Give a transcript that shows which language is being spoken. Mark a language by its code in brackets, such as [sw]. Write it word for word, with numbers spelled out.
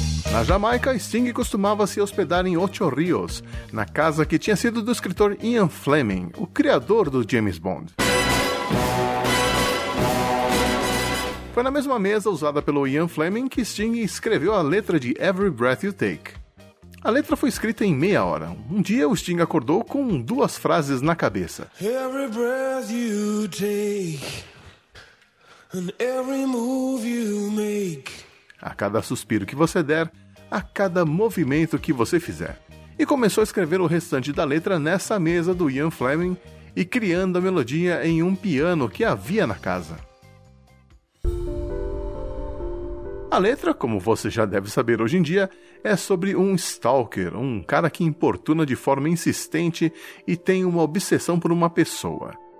[pt] Na Jamaica, Sting costumava se hospedar em Ocho Rios, na casa que tinha sido do escritor Ian Fleming, o criador do James Bond. Foi na mesma mesa usada pelo Ian Fleming que Sting escreveu a letra de Every Breath You Take. A letra foi escrita em meia hora. Um dia o Sting acordou com duas frases na cabeça. [en] Every breath you take, and every move you make. [pt] A cada suspiro que você der, a cada movimento que você fizer. E começou a escrever o restante da letra nessa mesa do Ian Fleming e criando a melodia em um piano que havia na casa. A letra, como você já deve saber hoje em dia, é sobre um stalker, um cara que importuna de forma insistente e tem uma obsessão por uma pessoa.